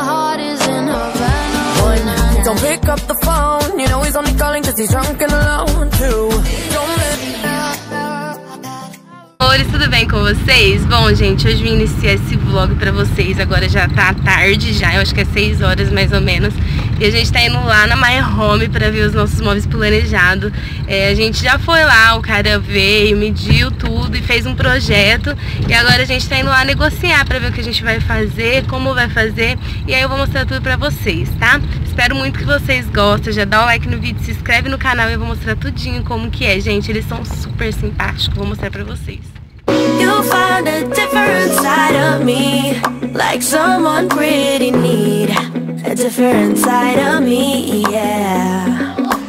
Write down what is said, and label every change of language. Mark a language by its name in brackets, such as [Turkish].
[English] Don't pick up the phone, you know he's only calling cause he's drunk and alone too. [Portuguese] Oi, tudo bem com vocês? Bom, gente, hoje eu iniciei esse vlog pra vocês. Agora já tá tarde já, eu acho que é 6 horas mais ou menos. E a gente tá indo lá na My Home pra ver os nossos móveis planejados. É, a gente já foi lá, o cara veio, mediu tudo e fez um projeto. E agora a gente tá indo lá negociar pra ver o que a gente vai fazer, como vai fazer. E aí eu vou mostrar tudo pra vocês, tá? Espero muito que vocês gostem. Já dá o like no vídeo, se inscreve no canal e eu vou mostrar tudinho como que é, gente. Eles são super simpáticos, vou mostrar pra vocês. [English] You'll find a different side of me, like someone pretty need a different side of me, yeah.